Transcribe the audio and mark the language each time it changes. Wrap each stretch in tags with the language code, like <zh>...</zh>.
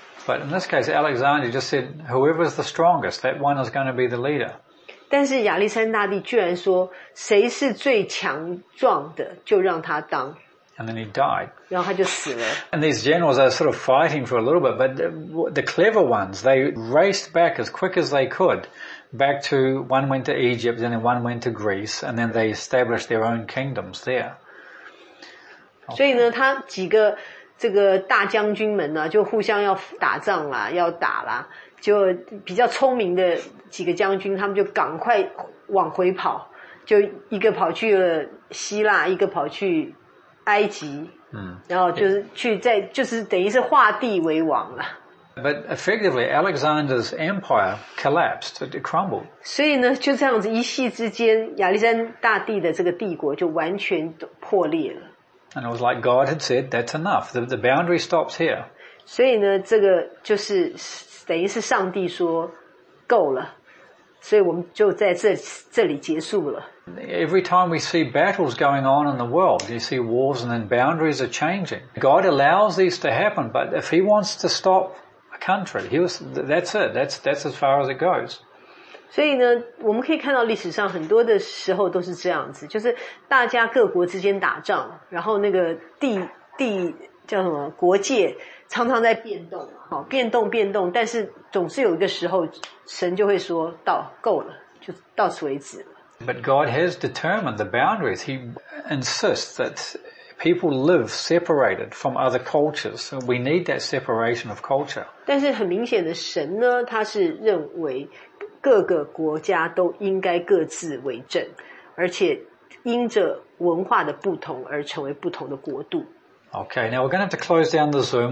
<en>But in this case, Alexander just said, whoever is the strongest, that one is going to be the leader.</en> <zh>但是亚历山大帝居然说，谁是最强壮的，就让他当。</zh> <en>And then he died.</en> <zh>然后他就死了。</zh> <en>And these generals are sort of fighting for a little bit, but the clever ones, they raced back as quick as they could, back to, one went to Egypt, and then one went to Greece, and then they established their own kingdoms there.、 Okay.</en> <zh>所以呢，他几个这个大将军们呢，就互相要打仗啦，要打啦。就比较聪明的几个将军，他们就赶快往回跑，就一个跑去了希腊，一个跑去埃及，然后就是去在就是等于是画地为王了。</zh> <en>But effectively, Alexander's empire collapsed. It crumbled.</en> <zh>所以呢，就这样子一夕之间，亚历山大帝的这个帝国就完全破裂了。</zh> <en>And it was like God had said, "That's enough. The boundary stops here."</en> <zh>所以呢，这个就是。等于是上帝说够了，所以我们就在 这里结束了。</zh> <en>Every time we see battles going on in the world, you see wars and then boundaries are changing. God allows these to happen, but if he wants to stop a country, that's it, that's as far as it goes.</en> <zh>所以呢，我们可以看到历史上很多的时候都是这样子，就是大家各国之间打仗，然后那个地叫什么国界常常在变动，好，变动，但是总是有一个时候，神就会说到够了，就到此为止了。</zh> <en>But God has determined the boundaries. He insists that people live separated from other cultures. So we need that separation of culture.</en> <zh>但是很明显的，神呢，他是认为各个国家都应该各自为政，而且因着文化的不同而成为不同的国度。</zh> <en>Okay, now we're going to have to close down the Zoom.</en>